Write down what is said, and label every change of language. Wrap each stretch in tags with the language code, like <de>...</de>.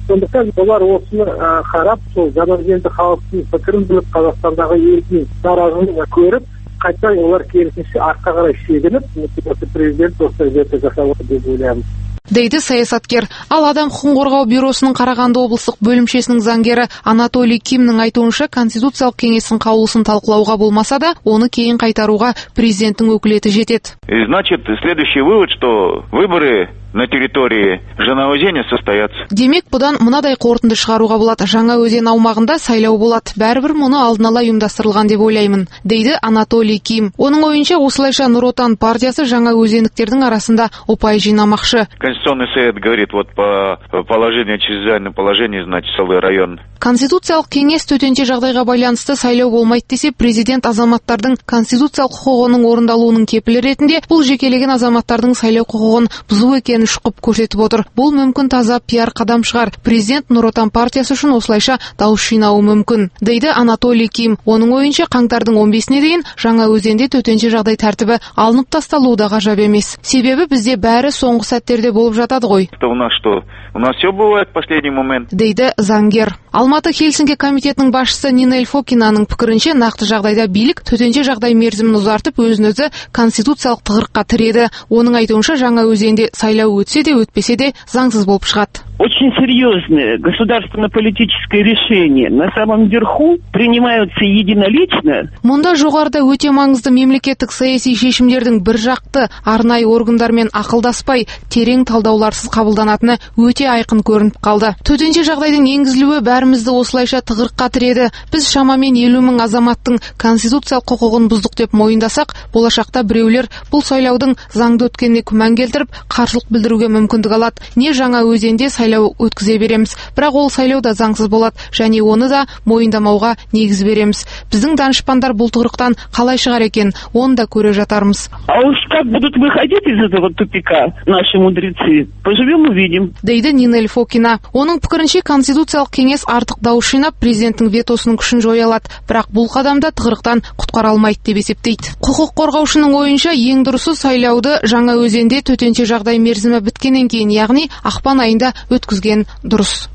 <kk>Сондықтан олар осыны қарап, сол Жаңа Өзенде халықтың пікірін біліп, Қазақстандағы елдің наразылығын көріп, қайта олар керісінше артқа қарай шегініп, президент осы жерде жасап отыр деп ойлаймын. Дейді саясаткер. Ал адам құқығын қорғау бюросының Қарағанды облыстық бөлімшесінің заңгері Анатолий Кимнің айтуынша, конституциялық кеңестің қаулысын талқылауға болмаса да, оны кейін қайтаруға президенттің өкілеті жетеді.</kk> <ru>И значит, следующий вывод, что выборы на территории Жаңаөзенде состоятся.</ru> <kk>Демек, бұдан мынадай қорытынды шығаруға болады. Жаңаөзен аумағында сайлау болады. Бәрібір мұны алдын ала ұйымдастырылған деп ойлаймын, дейді Анатолий Ким. Оның ойынша, осылайша Нұр Отан партиясы жаңаөзендіктердің арасында ұпай жинамақшы.</kk> <ru>Конституционный совет говорит, вот по положению чрезвычайное положение, значит, целый район.</ru> <kk>Конституциялық кеңес төтенше жағдайға байланысты сайлау болмайды десе, президент азаматтардың конституциялық құқығының орындалуының кепілі ретінде бұл жекелеген азаматтардың сайлау құқығын бұзу екенін шұқып көрсетіп отыр. Бұл мүмкін таза пиар қадам шығар. Президент Нұр Отан партиясы үшін осылайша дауыс жинауы мүмкін, дейді Анатолий Ким. Оның ойынша қаңтардың 15-іне дейін Жаңа Өзенде төтенше жағдай тәртібі алынып тасталуы да ғажап емес. Себебі бізде бәрі соңғы сәттерде болып жатады ғой.</kk> <ru>У нас все бывает в последний момент.</ru> <kk>Дейді заңгер. Алматы Хельсинки комитетінің басшысы Нина Эльфокинаның пікірінше, нақты жағдайда билік төтенше жағдай мерзімін ұзартып, өзін-өзі конституциялық тығырыққа тіреді. Оның айтуынша, Жаңа Өзенде сайлау өтсе де өтпесе де заңсыз болып шығады.</kk> <ru>очень серьезное государственно-политическое решение на самом верху принимаются единолично.</ru> <kk>Мұнда жоғарда өте маңызды мемлекеттік саяси шешімдердің бір жақты арнай органдармен ақылдаспай терең талдауларсыз қабылданатыны өте айқын көрініп қалды. Төтенше жағдайдың енгізілуі бәрімізді осылайша тығырыққа тіреді. Біз шамамен 50 мың азаматтың конституциялық құқығын бұздық деп мойындасақ, болашақта біреулер бұл сайлаудың заңды өткеніне күмән келтіріп, қарсылық білдіруге мүмкіндік алады. Не жаңа өзенде сайлау өткізе береміз, бірақ ол сайлау да заңсыз болады және оны да мойындамауға негіз береміз. Біздің данышпандар бұл тығырықтан қалай шығар екен, оны да көре жатармыз.</kk> <ru>А уж как будут выходить из этого тупика наши мудрецы? Поживем, увидим.</ru> <kk>Дейді Нинель Фокина. Оның пікірінше конституциялық кеңес артық дауыс жинап, президенттің ветосының күшін жоя алады, бірақ бұл қадамда тығырықтан құтқара алмайды деп есептейді. Құқық қорғаушының ойынша ең дұрысы сайлауды жаңа өзенде төтенше жағдай мерзімі біткеннен кейін, яғни ақпан айында өткізген дұрыс.</kk>